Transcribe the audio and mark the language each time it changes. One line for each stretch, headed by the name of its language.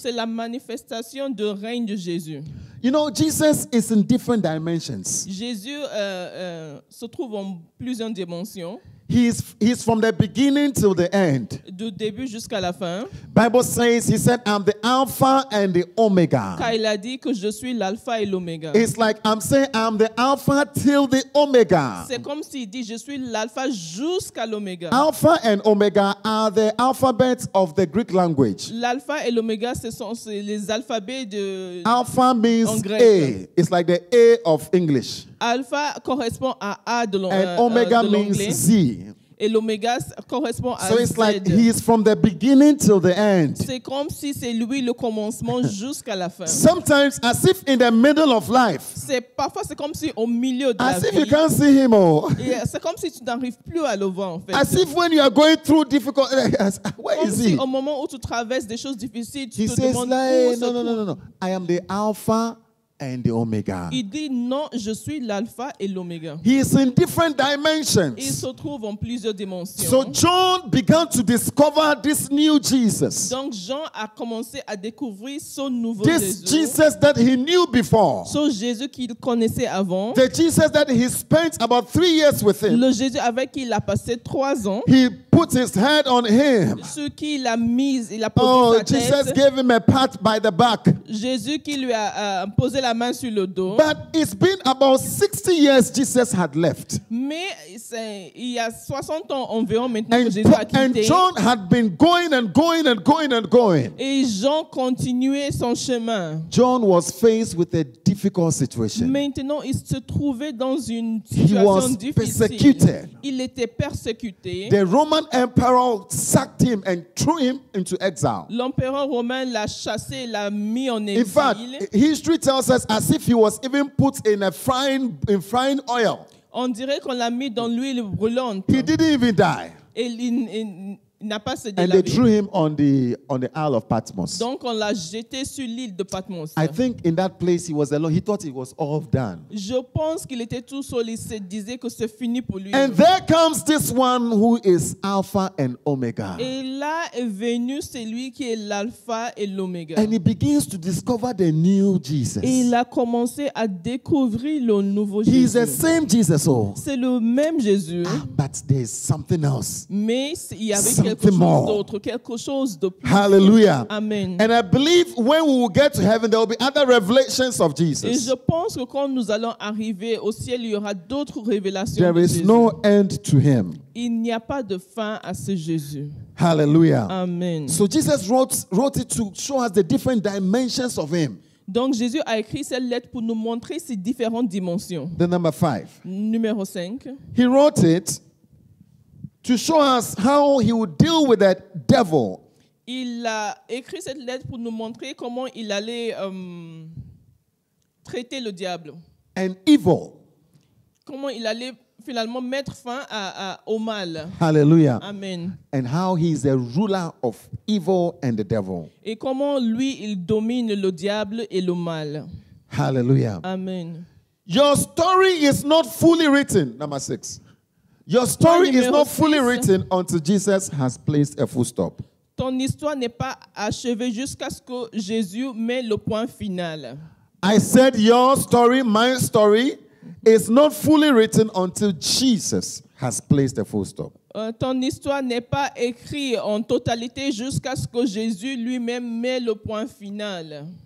French: C'est la manifestation du règne de Jésus.
English: You know, Jesus is in different dimensions.
French: Jésus se trouve en plusieurs dimensions.
English: He's from the beginning till the end.
French: Du début jusqu'à la fin.
English: Bible says he said I'm the Alpha and the Omega.
French: Car il a dit que je suis l'Alpha et l'Oméga.
English: It's like I'm saying I'm the Alpha till the Omega.
French: C'est comme s'il dit je suis l'Alpha jusqu'à l'Oméga.
English: Alpha and Omega are the alphabets of the Greek language.
French: L'Alpha et l'Oméga ce sont les alphabets de.
English: Alpha means A. It's like the A of English.
French: Alpha correspond à A de l'anglais.
English: And Omega means Z.
French: Et l'oméga correspond à
English: Z. So it's like he is from the beginning till the end.
French: C'est comme si c'est lui le commencement jusqu'à la fin.
English: Sometimes as if in the middle of life.
French: C'est parfois c'est comme si au milieu de la vie.
English: As if you can't see him all.
French: Yeah, c'est comme si tu n'arrives plus à le voir en fait.
English: As if when you are going through difficult where is he?
French: Comme si au moment où tu traverses des choses difficiles, tu
English: he
French: te demandes
English: like,
French: où
English: no. I am the Alpha and the Omega.
French: Il dit non, je suis l'Alpha et l'Oméga.
English: He is in different dimensions.
French: Il se trouve en plusieurs dimensions.
English: So John began to discover this new Jesus.
French: Donc Jean a commencé à découvrir ce nouveau
English: this This Jesus that he knew before.
French: Ce Jésus qu'il connaissait avant.
English: The Jesus that he spent about 3 years with him.
French: Le Jésus avec qui il a passé 3 ans.
English: He put his head on him.
French: Ce qu'il a mis, il a posé sa tête.
English: Oh, Jesus gave him a pat by the back.
French: Jésus qui lui a posé la main sur le dos.
English: But it's been about 60 years Jesus had left.
French: Mais il y a 60 ans environ maintenant que Jésus a quitté.
English: And John had been going and going and going and going.
French: Et Jean continuait son chemin.
English: John was faced with a difficult situation.
French: Maintenant, il se trouvait dans une situation difficile.
English: He was persecuted.
French: Il était persécuté.
English: The Roman emperor sacked him and threw him into exile.
French: L'empereur romain l'a chassé, l'a mis en exil.
English: In fact, history tells us as if he was even put in a frying oil.
French: On dirait qu'on l'a mis dans l'huile brûlante.
English: He didn't even die.
French: Il n'a pas se délavé.
English: And they threw him on the Isle of Patmos.
French: Donc on l'a jeté sur l'île de Patmos.
English: I think in that place he was alone. He thought it was all done.
French: Je pense qu'il était tout seul. Il se disait que c'est fini pour lui.
English: And there comes this one who is Alpha and Omega.
French: Et là est venu celui qui est l'Alpha et l'Oméga.
English: And he begins to discover the new Jesus.
French: Et il a commencé à découvrir le nouveau Jésus.
English: He's the same Jesus.
French: C'est le même Jésus.
English: Ah, but there's something else.
French: Mais il y avait
English: something
French: quelque chose d'autre. Hallelujah. Amen.
English: And I believe when we will get to heaven, there will be other revelations of Jesus.
French: Et je pense que quand nous allons arriver au ciel, il y aura d'autres révélations.
English: There is no end to him.
French: Il n'y a pas de fin à ce Jésus. Hallelujah. Amen.
English: So Jesus wrote it to show us the different dimensions of him.
French: Donc Jésus a écrit cette lettre pour nous montrer ces différentes dimensions.
English: The number 5.
French: Numéro 5.
English: He wrote it to show us how he would deal with that devil.
French: Il a écrit cette lettre pour nous montrer comment il allait traiter le diable.
English: And evil.
French: Comment il allait finalement mettre fin au mal. Hallelujah. Amen.
English: And how he is the ruler of evil and the devil.
French: Et comment lui il domine le diable et le mal. Hallelujah. Amen.
English: Your story is not fully written. Number 6. Your story is not fully written until Jesus has placed a full stop.
French: Ton histoire n'est pas achevée jusqu'à ce que Jésus met le point final.
English: I said your story, my story, it's not fully written until Jesus has placed a full stop.
French: Ton histoire n'est pas écrite en totalité jusqu'à ce que Jésus lui-même met le point final.